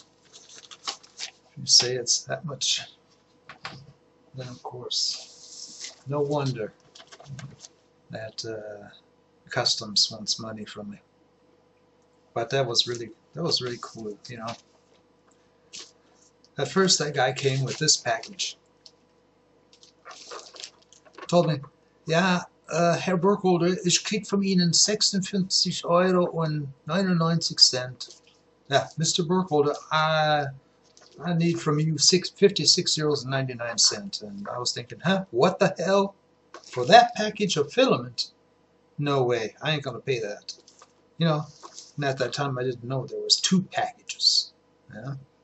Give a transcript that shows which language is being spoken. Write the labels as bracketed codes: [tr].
[en] If you say it's that much, then of course, no wonder that customs wants money from me. But that was really cool, you know. At first, that guy came with this package. Told me, yeah, [de] Herr Burkholder, ich krieg von Ihnen 56 Euro und 99 Cent. [en] Yeah, Mr. Burkholder, I need from you 56 euros and 99 cent. And I was thinking, huh, what the hell? For that package of filament? No way, I ain't gonna pay that. You know, and at that time I didn't know there was two packages. Yeah.